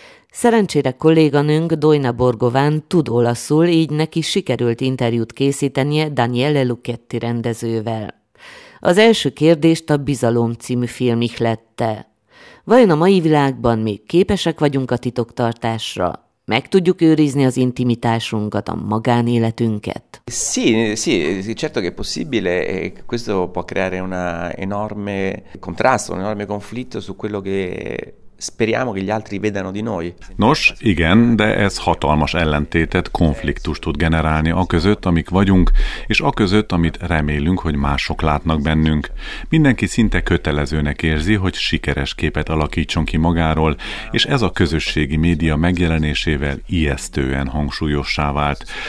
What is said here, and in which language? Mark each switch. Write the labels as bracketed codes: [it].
[hu] Szerencsére kolléganőnk Dojna Borgován tud olaszul, így neki sikerült interjút készítenie Daniele Lucchetti rendezővel. Az első kérdést a Bizalom című film ihlette. Vajon a mai világban még képesek vagyunk a titoktartásra? Meg tudjuk őrizni az intimitásunkat, a magánéletünket? [it] Sì, certo che è possibile e questo può creare una enorme contrasto, un enorme conflitto su quello che speriamo che gli altri vedano di noi. [hu] Nos, igen, de ez hatalmas ellentétet, konfliktust tud generálni a között, amik vagyunk, és a között, amit remélünk, hogy mások látnak bennünk. Mindenki szinte kötelezőnek érzi, hogy sikeres képet alakítson ki magáról, és ez a közösségi média megjelenésével ijesztően hangsúlyossá vált.